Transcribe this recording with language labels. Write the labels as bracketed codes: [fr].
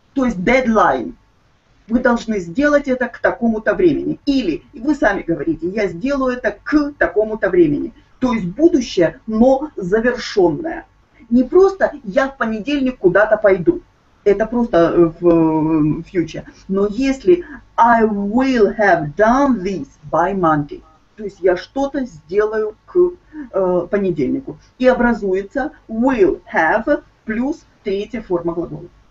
[ru] То есть deadline. Вы должны сделать это к такому-то времени. Или вы сами говорите, я сделаю это к такому-то времени. То есть будущее, но завершенное. Не просто я в понедельник куда-то пойду. Это просто в future. Но если [en] I will have done this by Monday. [ru] То есть я что-то сделаю к понедельнику. И образуется will have плюс третья форма глагола.